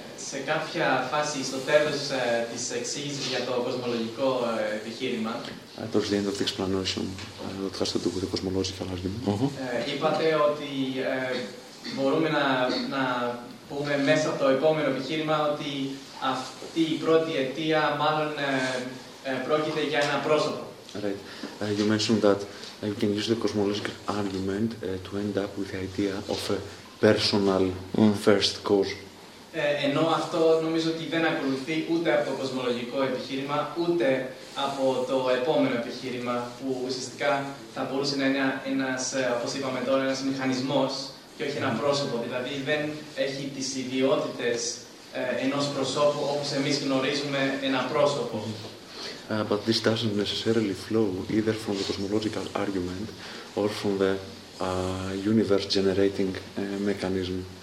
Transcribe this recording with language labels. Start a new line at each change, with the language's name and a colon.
Greek: Σε κάποια φάση, στο τέλος της εξήγησης για το κοσμολογικό επιχείρημα,
English: Towards the end of the explanation, what has to do with the cosmological argument.
Greek: Είπατε ότι μπορούμε να πούμε μέσα από το επόμενο επιχείρημα ότι αυτή η πρώτη αιτία μάλλον πρόκειται για ένα πρόσωπο.
English: Right. You mentioned that you can use the cosmological argument to end up with the idea of a personal first cause.
Greek: Ενώ αυτό νομίζω ότι δεν ακολουθεί ούτε από το κοσμολογικό επιχείρημα, ούτε από το επόμενο επιχείρημα, που ουσιαστικά θα μπορούσε να είναι ένας, όπως είπαμε τώρα, ένας μηχανισμός και όχι ένα πρόσωπο. Δηλαδή δεν έχει τις ιδιότητες ενός προσώπου όπως εμείς γνωρίζουμε ένα πρόσωπο.
English: But this doesn't necessarily flow either from the cosmological argument or from the universe generating mechanism.